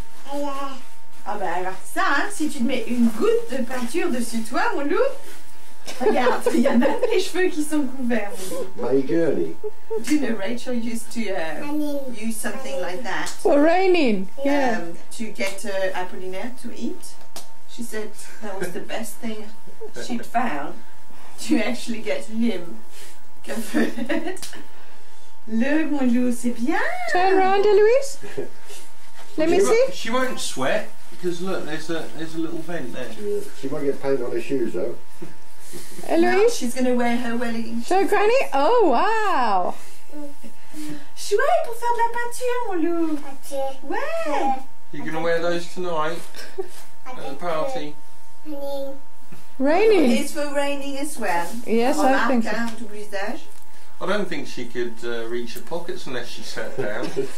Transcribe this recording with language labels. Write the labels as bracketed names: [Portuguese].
[French] Ah ben alors ça, hein, si tu te mets une goutte de peinture dessus toi, mon loup, regarde, il y a même les cheveux qui sont couverts. [English] My girly. Do you know Rachel used to use something like that? For raining, yeah. To get Apollinaire to eat. She said that was the best thing she'd found, to actually get him covered. [French] Le, mon loup, c'est bien. [English] Turn around, Eloise. Let me see. She won't sweat because look, there's a little vent there. She might get paint on her shoes though. Eloise? Now she's going to wear her welly. Show Granny? Oh wow! [French] Chouette pour faire de la peinture, mon loup. Peinture. Ouais! [English] You're going to wear those tonight at the party? Raining. Raining? It's for raining as well. Yes, on I think so. I don't think she could reach her pockets unless she sat down.